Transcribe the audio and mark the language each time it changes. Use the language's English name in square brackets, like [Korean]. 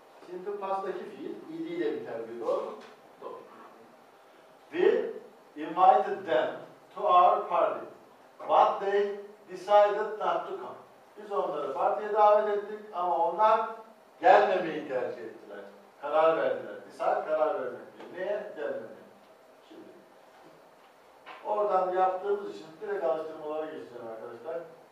[Turkish] simple past'taki fiil idi ile biter diyor. Doğru mu? Doğru. [English] We invited them to our party, but they decided not to come. [Turkish] Biz onları partiye davet ettik ama onlar gelmemeyi tercih ettiler. Karar verdiler. Decide karar vermek diyor. Neye? Gelmemeye. Şimdi oradan yaptığımız için direkt alıştırmalara geçeceğim arkadaşlar.